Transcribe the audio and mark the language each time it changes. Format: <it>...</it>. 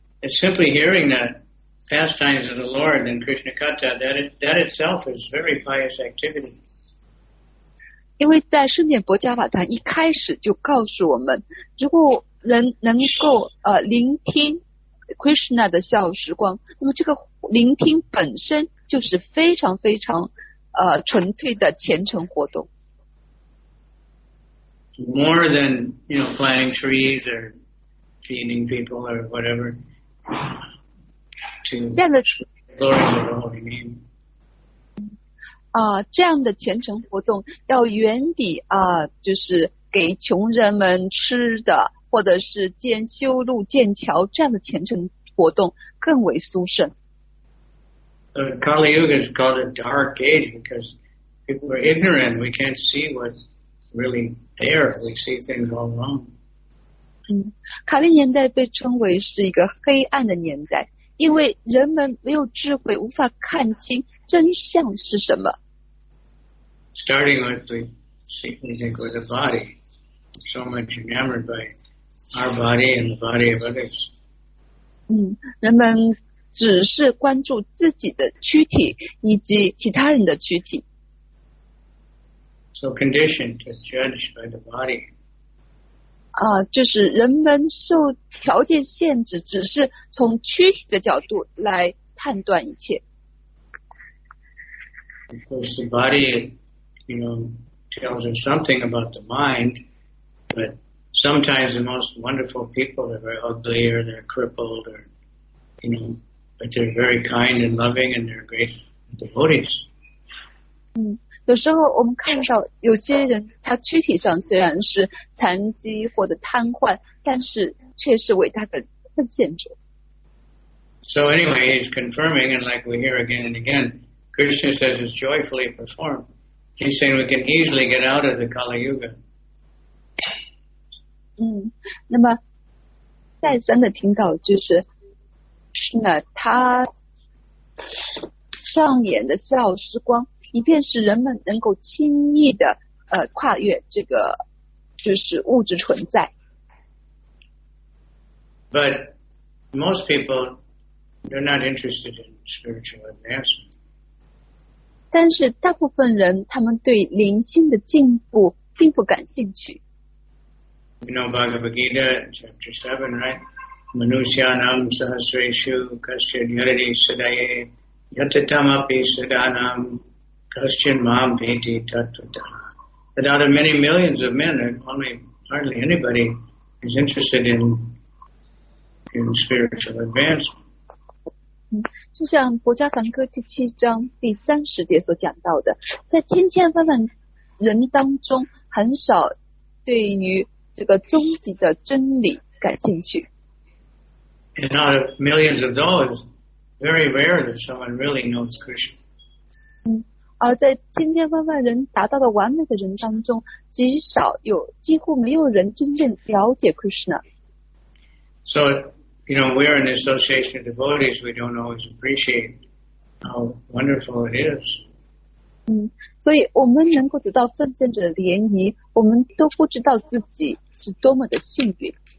<en>It's simply hearing the pastimes of the Lord in Krishna Katha, that itself is very pious activity.</en> <zh>因为在圣典薄伽瓦坛一开始就告诉我们，如果人能够聆听 Krishna 的逍遥时光，那么这个聆听本身就是非常非常纯粹的虔诚活动。</zh> <en>More than, you know, planting trees or,feeding people or whatever to glorify the holy name.</en> <zh>这样的虔诚活动要远比就是给穷人们吃的或者是建修路建桥这样的虔诚活动更为殊胜。</zh> <en>Kali Yuga is called a dark age because people are ignorant. We can't see what's really there. We see things all wrong.</en> <zh>卡利年代被称为是一个黑暗的年代，因为人们没有智慧，无法看清真相是什么。</zh> <en>Starting with we think with the body, so much enamored by our body and the body of others.</en> <zh>人们只是关注自己的躯体以及其他人的躯体。</zh> <en>So conditioned to judge by the body.</en> <zh>就是人们受条件限制，只是从躯体的角度来判断一切。</zh> <en>Of course, the body, you know, tells us something about the mind, but sometimes the most wonderful people are very ugly or they're crippled or, you know, but they're very kind and loving and they're great devotees.</en> <zh>有时候我们看到有些人他躯体上虽然是残疾或者瘫痪，但是却是伟大的奉献者。</zh> <en>So anyway, he's confirming, and like we hear again and again, Krishna says it's joyfully performed. He's saying we can easily get out of the Kali Yuga.</en> <zh>那么再三的听到就是，那他上演的笑时光，以便使人们能够轻易的跨越这个就是物质存在。</zh> <en>But most people are not interested in spiritual advancement.</en> <zh>但是大部分人他们对灵性的进步并不感兴趣。</zh> <en>You know Bhagavad Gita chapter 7, right?</en> <sa>Manushyanam sahasreshu kaschid yarati sadaye yatatamapi sadanam kaschid mam bheti tatvata.</sa> <en>But out of many millions of men, only hardly anybody is interested in spiritual advancement.</en> <zh>就像《薄伽梵歌》第七章第三十节所讲到的，在千千万万人当中，很少对于这个终极的真理感兴趣。</zh> <en>And out of millions of those, very rare that someone really knows Krishna.</en> <zh>而在千千万万人达到的完美的人当中，极少有几乎没有人真正了解 Krishna。</zh> <en>So, you know, we are an association of devotees. We don't always appreciate how wonderful it is.</en> <zh>所以我们能够得到奉献者的联谊，我们都不知道自己是多么的幸运。</zh>